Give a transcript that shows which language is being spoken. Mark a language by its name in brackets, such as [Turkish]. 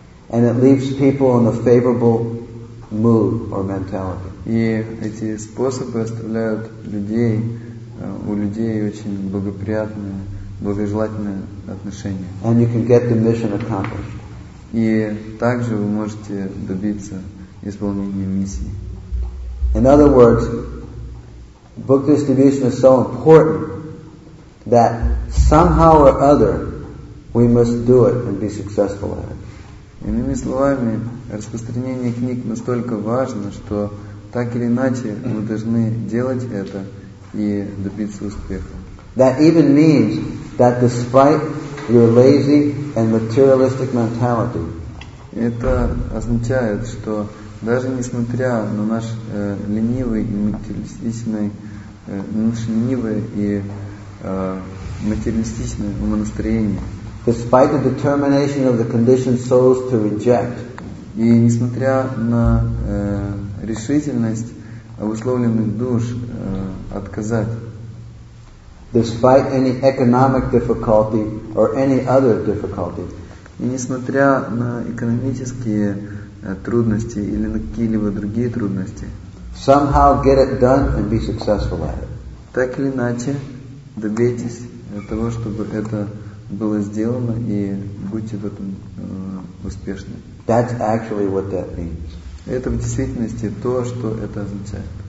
[English] And it leaves people in a favorable mood or mentality. [Russian] И эти способы оставляют людей, у людей очень благоприятное, благожелательное отношение. [English] And you can get the mission accomplished. [Russian] И также вы можете добиться исполнения миссии. [English] In other words, book distribution is so important that somehow or other we must do it and be successful at it. [Russian] Иными словами, распространение книг настолько важно, что так или иначе мы должны делать это и добиться успеха. [English] That even means that despite your lazy and materialistic mentality. [Russian] Это означает, что даже несмотря на наш ленивый и материалистичный, наше ленивое и материалистичное умонастроение. [English] Despite the determination of the conditioned souls to reject. [Russian] И несмотря на решительность обусловленных душ отказать. [English] Despite any economic difficulty or any other difficulty. [Russian] И несмотря на экономические трудности или на какие-либо другие трудности. [English] Somehow get it done and be successful at it. [Russian] Так или иначе, добейтесь того, чтобы это было сделано, и будьте в этом успешны. [English] That's actually what that means. [Russian] Это в действительности то, что это означает.